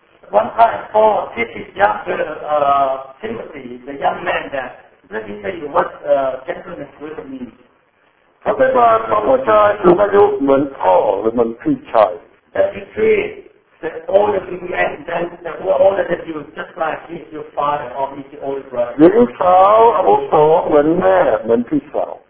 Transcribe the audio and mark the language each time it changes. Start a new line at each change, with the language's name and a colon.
English: One time, Paul teaches his younger Timothy, the young man, that let me tell you what gentleness really means.
Thai: ถ้าเป็นว่าผู้ชายสูงอายุเหมือนพ่อหรือเหมือนพี่ชาย
English: That you treat the older man than the older than you just like he's your father or he's your older brother
Thai: หญิงสาวอาวุโสเหมือนแม่เหมือนพี่สาว